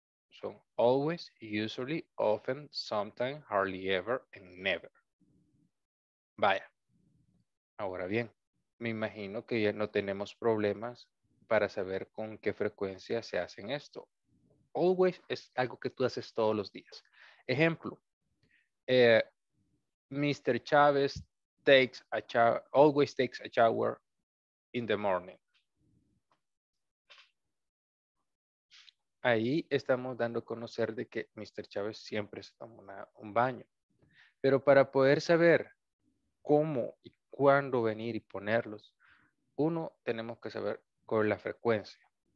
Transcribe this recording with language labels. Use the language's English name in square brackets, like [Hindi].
[Spanish] Son [English] always, usually, often, sometimes, hardly ever, and never. [Spanish] Vaya. Ahora bien, me imagino que ya no tenemos problemas para saber con qué frecuencia se hacen esto. Always es algo que tú haces todos los días. Ejemplo, Mr. [English] Chávez takes a always takes a shower in the morning. [Spanish] Ahí estamos dando a conocer de que Mr. Chávez siempre se toma un baño. Pero para poder saber cómo y cuándo venir y ponerlos, uno, tenemos que saber con la frecuencia.